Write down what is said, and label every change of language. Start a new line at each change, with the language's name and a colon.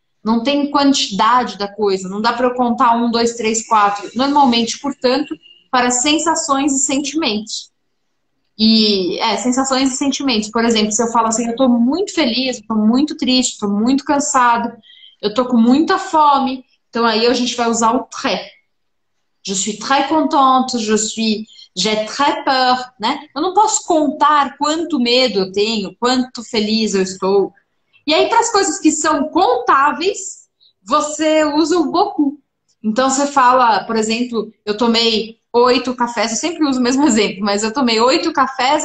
Portuguese: Não tem quantidade da coisa, não dá para eu contar um, dois, três, quatro. Normalmente, portanto, para sensações e sentimentos. E, sensações e sentimentos. Por exemplo, se eu falo assim, eu estou muito feliz, estou muito triste, estou muito cansado, eu estou com muita fome, então aí a gente vai usar o très.
French: Je suis très contente, j'ai très peur, né?
Portuguese: Eu não posso contar quanto medo eu tenho, quanto feliz eu estou. E aí, para as coisas que são contáveis, você usa o beaucoup. Então, você fala, por exemplo, eu tomei oito cafés. Eu sempre uso o mesmo exemplo, mas eu tomei oito cafés.